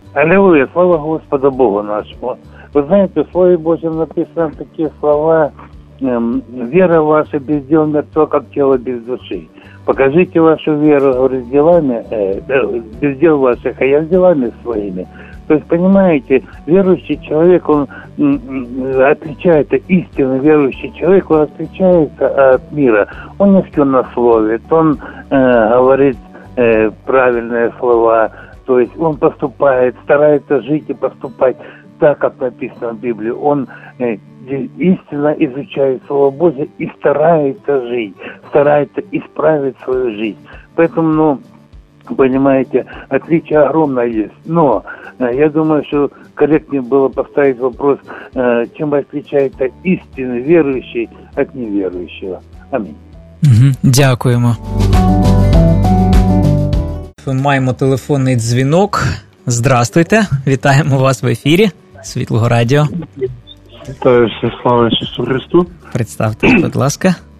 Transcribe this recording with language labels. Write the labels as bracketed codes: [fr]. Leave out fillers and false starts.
[uk] Алілуя, слава Господу Богу нашому. Ви знаєте, в Слові Божім написано такі слова: «Віра ваша без діл мертва, як тіло без душі. Покажіть вашу віру, говорить, ділами, без діл ваших, а я з ділами своїми». [ru] То есть, понимаете, верующий человек, он отличается, истинно верующий человек, он отличается от мира. Он не сквернословит, он говорит правильные слова, то есть он поступает, старается жить и поступать так, как написано в Библии. Он истинно изучает Слово Божие и старается жить, старается исправить свою жизнь. Поэтому, ну, понимаете, отличие огромное есть, но... Я думаю, что корректнее было поставить вопрос, чем отличается истинный верующий от неверующего. Аминь. [uk] Дякуємо. Ми маємо телефонний дзвінок. [ru] Здравствуйте, [uk] вітаємо вас в ефірі Світлого Радіо. Вітаю всіх, слава Ісусу Христу. Представтесь, будь ласка.